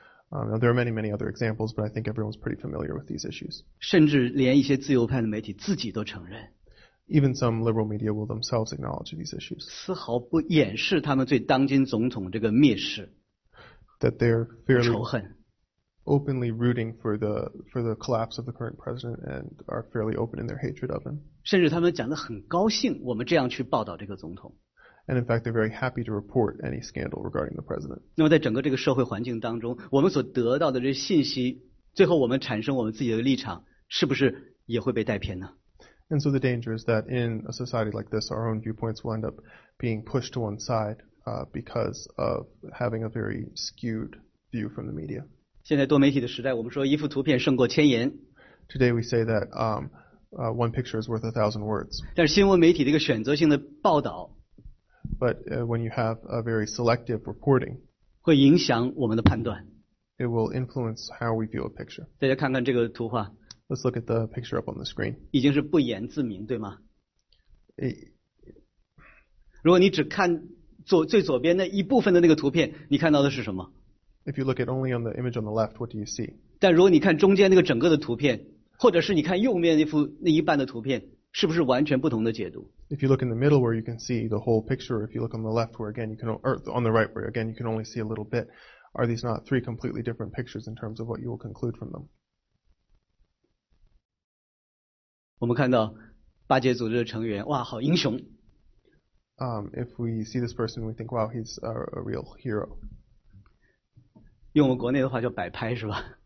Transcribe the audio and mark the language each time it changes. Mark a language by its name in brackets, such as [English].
[English] There are many, many other examples, but I think everyone's pretty familiar with these issues. [Chinese] 甚至连一些自由派的媒体自己都承认。 [English] Even some liberal media will themselves acknowledge these issues. [Chinese] 丝毫不掩饰他们对当今总统这个蔑视。 [English] That they're fairly [Chinese] 仇恨。 [English] Openly rooting for the collapse of the current president and are fairly open in their hatred of him. [Chinese] 甚至他们讲得很高兴，我们这样去报道这个总统。 [English] And in fact, they're very happy to report any scandal regarding the president. [Chinese] 那么在整个这个社会环境当中，我们所得到的这信息，最后我们产生我们自己的立场，是不是也会被带偏呢？ [English] And so the danger is that in a society like this, our own viewpoints will end up being pushed to one side, because of having a very skewed view from the media. [Chinese] 现在多媒体的时代，我们说一幅图片胜过千言。 [English] Today we say that one picture is worth 1,000 words. [Chinese] 但是新闻媒体的一个选择性的报道。 [English] But when you have a very selective reporting, [Chinese] 会影响我们的判断。 [English] It will influence how we view a picture. [Chinese] 大家看看这个图画。 [English] Let's look at the picture up on the screen. [Chinese] 已经是不言自明，对吗？ [English] It, [Chinese] 如果你只看左最左边那一部分的那个图片，你看到的是什么？ [English] If you look at only on the image on the left, what do you see? [Chinese] 但如果你看中间那个整个的图片，或者是你看右面那幅那一半的图片。是不是完全不同的解读？ [English] If you look in the middle where you can see the whole picture, if you look on the left where again you can, or on the right where again you can only see a little bit, are these not three completely different pictures in terms of what you will conclude from them? [Chinese] 我们看到巴结组织的成员，哇，好英雄。 [English] If we see this person, we think, wow, he's a real hero. [Chinese] 用我国内的话叫摆拍是吧？